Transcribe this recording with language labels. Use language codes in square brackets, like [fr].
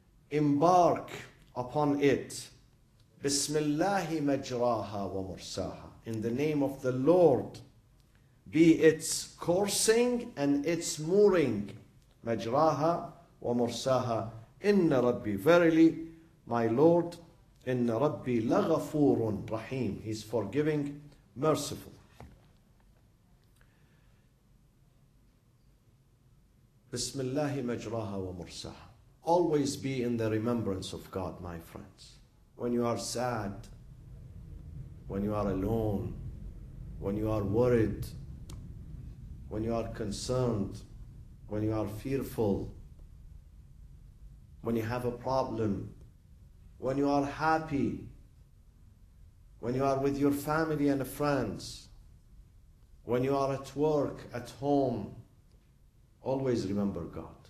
[en] embark upon it, [ar] بسم الله مجراها ومرساها, [en] in the name of the Lord, be its coursing and its mooring, [ar] مجراها ومرساها, إن ربي, [en] verily, my Lord, [ar] إن ربي لغفور رحيم, [en] he's forgiving, merciful. [ar] بسم الله مجراها ومرساها. [en] Always be in the remembrance of God, my friends. When you are sad, when you are alone, when you are worried, when you are concerned, when you are fearful, when you have a problem, when you are happy, when you are with your family and friends, when you are at work, at home, always remember God.